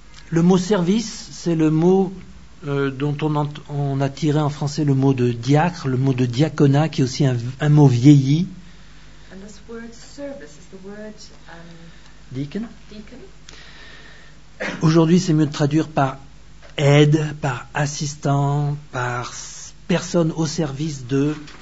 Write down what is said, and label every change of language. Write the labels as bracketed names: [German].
[French] Le mot service, c'est le mot dont on a tiré en français le mot de diacre, le mot de diaconat, qui est aussi un mot vieilli. [English] And this word service is the word, deacon. [French] Aujourd'hui, c'est mieux de traduire par aide, par assistant, par personne au service de.